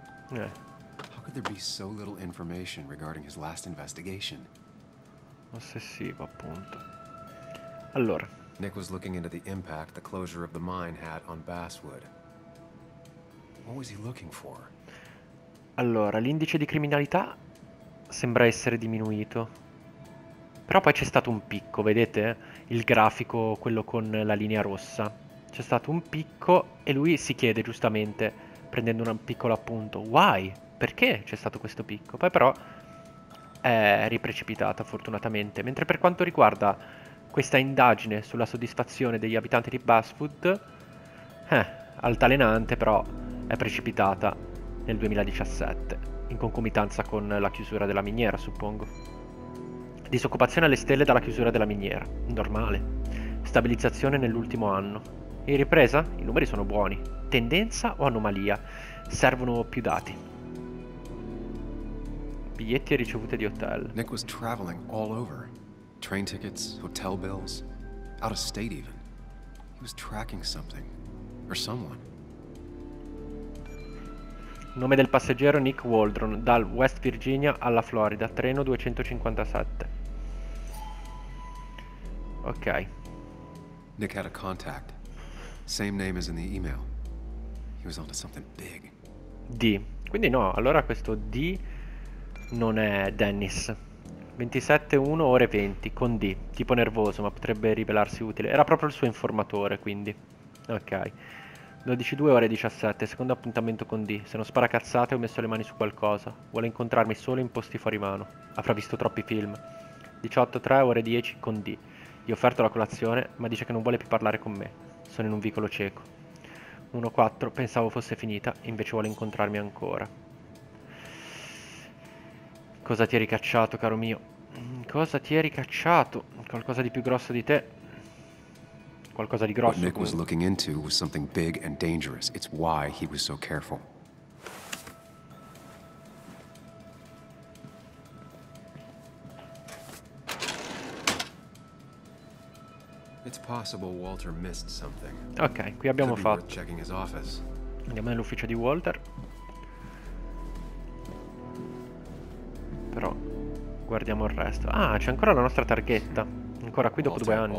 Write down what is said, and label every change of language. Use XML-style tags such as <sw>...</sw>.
<en>Yeah. How could there be so little information regarding his last investigation?</en> <it>Ossessivo, appunto. Allora.</it> <en>Nick was looking into the impact the closure of the mine had on Basswood. What was he looking for?</en> <it>Allora, l'indice di criminalità sembra essere diminuito. Però poi c'è stato un picco, vedete? Il grafico, quello con la linea rossa. C'è stato un picco e lui si chiede giustamente, prendendo un piccolo appunto,</it> <en>why?</en> <it>Perché c'è stato questo picco? Poi però è riprecipitata fortunatamente. Mentre per quanto riguarda questa indagine sulla soddisfazione degli abitanti di Basswood, altalenante, però è precipitata nel 2017, in concomitanza con la chiusura della miniera, suppongo. Disoccupazione alle stelle dalla chiusura della miniera. Normale. Stabilizzazione nell'ultimo anno. In ripresa? I numeri sono buoni. Tendenza o anomalia? Servono più dati. Biglietti e ricevute di hotel.</it> <en>Nick was traveling all over. Train tickets, hotel bills, out of state even. He was tracking something or someone.</en> <it>Nome del passeggero Nick Waldron, dal West Virginia alla Florida, treno 257. Ok.</it> <en>Nick had a contact. Same name as in the email. He was onto something big. D.</en> <it>Quindi no, allora questo D non è Dennis. 27:01 ore 20 con D, tipo nervoso, ma potrebbe rivelarsi utile. Era proprio il suo informatore, quindi. Ok. 12:02 ore 17, secondo appuntamento con D. Se non spara cazzate, ho messo le mani su qualcosa. Vuole incontrarmi solo in posti fuori mano. Avrà visto troppi film. 18:03 ore 10 con D. Gli ho offerto la colazione, ma dice che non vuole più parlare con me. Sono in un vicolo cieco. 1:04, pensavo fosse finita, invece vuole incontrarmi ancora. Cosa ti è ricacciato, caro mio? Cosa ti è ricacciato? Qualcosa di più grosso di te? Qualcosa di grosso.</it> <en>What Nick was looking into was something big and dangerous. It's why he was so careful. It's possible Walter missed something.</en> <it>Ok, qui abbiamo fatto.</it> <en>Checking his office.</en> <it>Andiamo nell'ufficio di Walter. Però guardiamo il resto. Ah, c'è ancora la nostra targhetta. Ancora qui dopo due anni.</it>